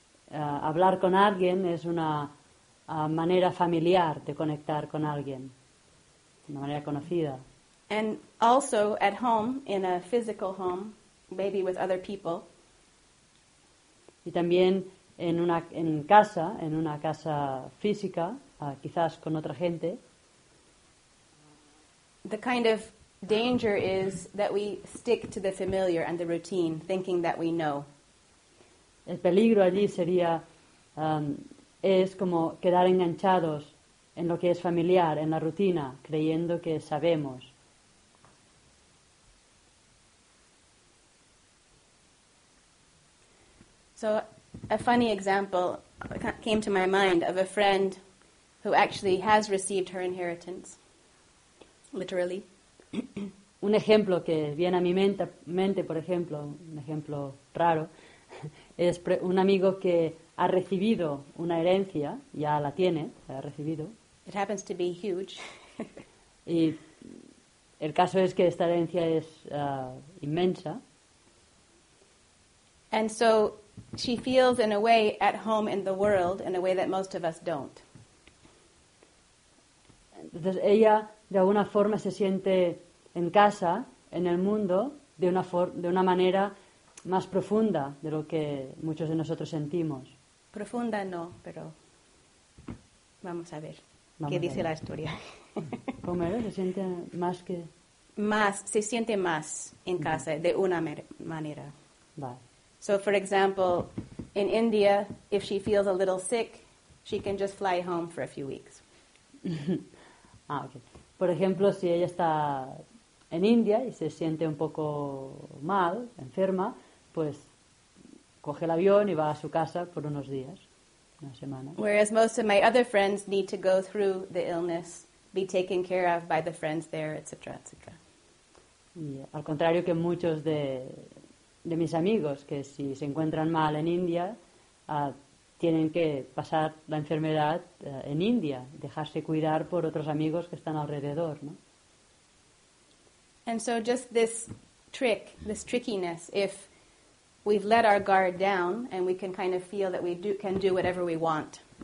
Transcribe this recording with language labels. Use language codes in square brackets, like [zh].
[es] Hablar con alguien es una manera familiar de conectar con alguien, una manera conocida. [en] And also at home, in a physical home, maybe with other people. [es] Y también en una casa física, quizás con otra gente. [en] The kind of danger is that we stick to the familiar and the routine, thinking that we know. [es] el peligro allí sería es como quedar enganchados en lo que es familiar, en la rutina, creyendo que sabemos. [en] So a funny example came to my mind of a friend who actually has received her inheritance, literally. [es] Un ejemplo que viene a mi mente, por ejemplo, un ejemplo raro, es un amigo que ha recibido una herencia, ya la tiene, la ha recibido. [en] It happens to be huge. [es] Y el caso es que esta herencia es inmensa. [en] And so she feels in a way at home in the world in a way that most of us don't. [es] Entonces ella de alguna forma se siente en casa, en el mundo, de una manera más profunda de lo que muchos de nosotros sentimos. Profunda no, pero vamos a ver qué dice la historia. ¿Cómo era? ¿Se siente más que...? Más, se siente más en casa, de una manera. Vale. [en] So, for example, in India, if she feels a little sick, she can just fly home for a few weeks. Ah, okay. [es] Por ejemplo, si ella está en India y se siente un poco mal, enferma, pues coge el avión y va a su casa por unos días, una semana. [en] Whereas most of my other friends need to go through the illness, be taken care of by the friends there, etc., etc. [es] Y al contrario que muchos de mis amigos, que si se encuentran mal en India, tienen que pasar la enfermedad en India, dejarse cuidar por otros amigos que están alrededor, ¿no? [en] And so just this trick, this trickiness, if we've let our guard down and we can kind of feel that we can do whatever we want.